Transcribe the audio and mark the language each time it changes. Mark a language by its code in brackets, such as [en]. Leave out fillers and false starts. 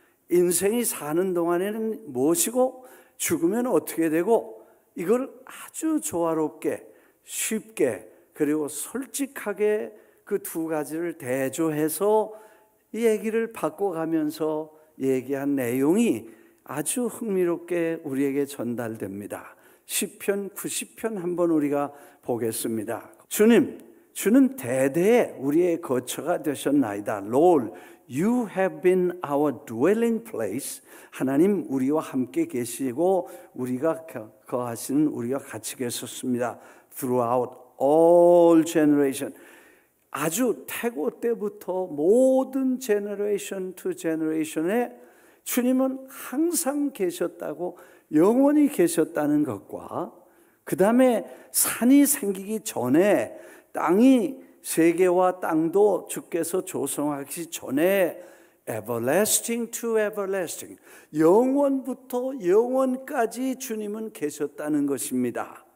[ko] 인생이 사는 동안에는 무엇이고 죽으면 어떻게 되고, 이걸 아주 조화롭게 쉽게 그리고 솔직하게 그 두 가지를 대조해서 얘기를 바꿔가면서 얘기한 내용이 아주 흥미롭게 우리에게 전달됩니다. 시편 90편 한번 우리가 보겠습니다. 주님, 주는 대대에 우리의 거처가 되셨나이다. [en] Lord, you have been our dwelling place. [ko] 하나님, 우리와 함께 계시고 우리가 거하시는 우리가 같이 계셨습니다. [en] Throughout all generation, [ko] 아주 태고 때부터 모든 [en] generation to generation [ko] 에 주님은 항상 계셨다고, 영원히 계셨다는 것과, 그 다음에 산이 생기기 전에 땅이, 세계와 땅도 주께서 조성하시기 전에 [en] everlasting to everlasting, [ko] 영원부터 영원까지 주님은 계셨다는 것입니다.